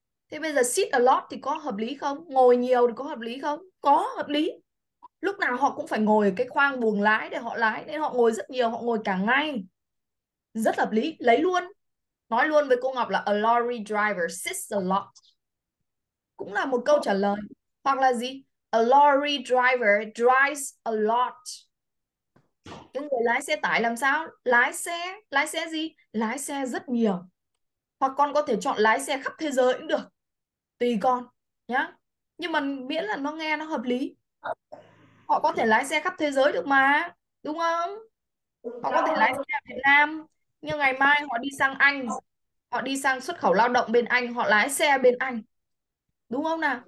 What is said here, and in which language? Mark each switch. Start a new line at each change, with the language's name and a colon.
Vietnamese: Thế bây giờ
English: sit a lot
Vietnamese: thì có hợp lý không? Ngồi nhiều thì có hợp lý không? Có hợp lý. Lúc nào họ cũng phải ngồi ở cái khoang buồng lái để họ lái. Nên họ ngồi rất nhiều, họ ngồi cả ngày. Rất hợp lý, lấy luôn. Nói luôn với cô Ngọc là
English: a lorry driver sits a lot.
Vietnamese: Cũng là một câu trả lời. Hoặc là gì?
English: A lorry driver drives a lot.
Vietnamese: Cái người lái xe tải làm sao? Lái xe gì? Lái xe rất nhiều. Hoặc con có thể chọn lái xe khắp thế giới cũng được. Tùy con nhá. Nhưng mà miễn là nó nghe nó hợp lý. Họ có thể lái xe khắp thế giới được mà, đúng không? Họ có thể lái xe ở Việt Nam, nhưng ngày mai họ đi sang Anh, họ đi sang xuất khẩu lao động bên Anh, họ lái xe bên Anh. Đúng không nào?